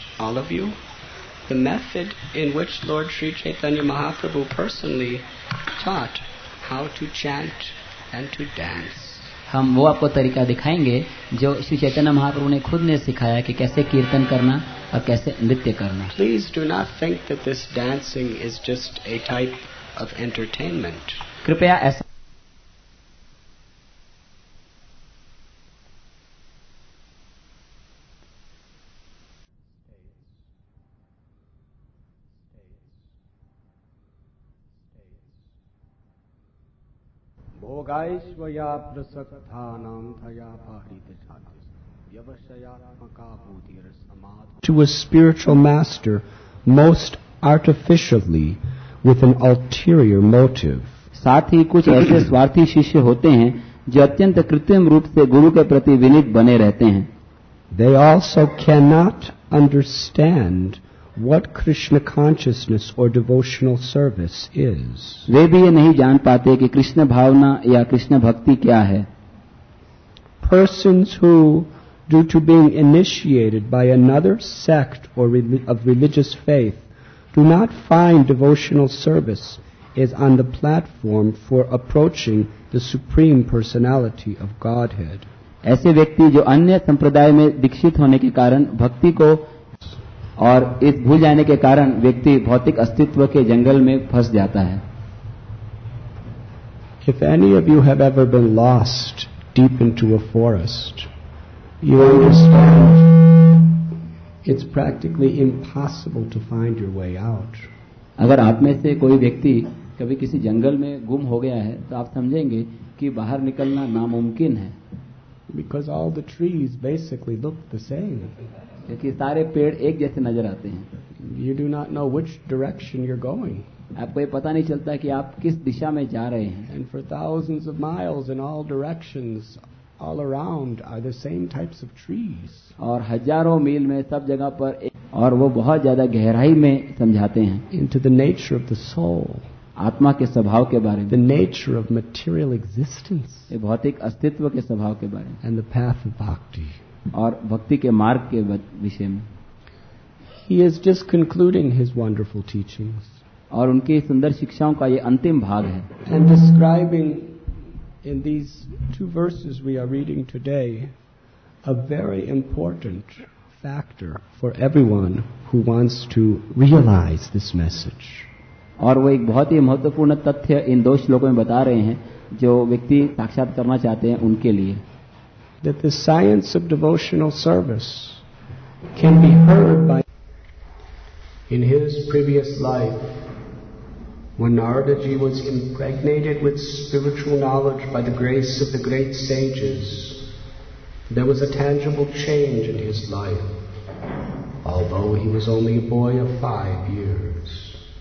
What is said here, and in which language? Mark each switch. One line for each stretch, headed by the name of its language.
English: All of you, the method in which Lord Sri Chaitanya Mahaprabhu personally taught how to chant and to dance.
Hindi: हम वो आपको तरीका दिखाएंगे जो श्री चैतन्य महाप्रभु ने खुद ने सिखाया कि कैसे कीर्तन करना और कैसे नृत्य करना.
English: Please do not think that this dancing is just a type of entertainment.
Hindi: कृपया ऐसा
Sanskrit: भोगाइश्वया प्रसक्थानां थया पाहृतचाति यवशयात्मका भूतिर्समाधि.
English: To a spiritual master, most artificially, with an ulterior motive.
Hindi: साथ ही कुछ ऐसे स्वार्थी शिष्य होते हैं जो अत्यंत कृत्रिम रूप से गुरु के प्रति विनित बने रहते हैं.
English: They also cannot understand what Krishna consciousness or devotional service is.
Hindi: वे भी ये नहीं जान पाते कि कृष्ण भावना या कृष्ण भक्ति क्या है.
English: Persons who, due to being initiated by another sect or of religious faith, do not find devotional service is on the platform for approaching the Supreme Personality of Godhead.
Hindi: ऐसे व्यक्ति जो अन्य संप्रदाय में दीक्षित होने के कारण भक्ति को और इस भूल जाने के कारण व्यक्ति भौतिक अस्तित्व के जंगल में फंस जाता है.
English: If any of you have ever been lost deep into a forest, you understand it's practically impossible to find your way out.
Hindi: अगर आप में से कोई व्यक्ति कभी किसी जंगल में गुम हो गया है तो आप समझेंगे कि बाहर निकलना नामुमकिन है.
English: Because all the trees basically look the same.
Hindi: क्योंकि सारे पेड़ एक जैसे नजर आते हैं.
English: You do not know which direction you're going.
Hindi: आपको ये पता नहीं चलता कि आप किस दिशा में जा रहे हैं.
English: And for thousands of miles in all directions, all around are the same types of trees.
Hindi: और हजारों मील में सब जगह पर और वो बहुत ज्यादा गहराई में समझाते हैं.
English: Into the nature of the soul.
Hindi: आत्मा के स्वभाव के बारे में.
English: The nature of material existence.
Hindi: ये भौतिक अस्तित्व के स्वभाव के बारे में.
English: And the path of bhakti.
Hindi: और भक्ति के मार्ग के विषय में.
English: He is just concluding his wonderful teachings.
Hindi: और उनकी सुंदर शिक्षाओं का ये अंतिम भाग है.
English: And describing in these two verses we are reading today a very important factor for everyone who wants to realize this message.
Hindi: और वो एक बहुत ही महत्वपूर्ण तथ्य इन दो श्लोकों में बता रहे हैं जो व्यक्ति साक्षात करना चाहते हैं उनके लिए.
English: That the science of devotional service can be heard by. In his previous life, when Naradaji was impregnated with spiritual knowledge by the grace of the great sages, there was a tangible change in his life, although he was only a boy of 5 years.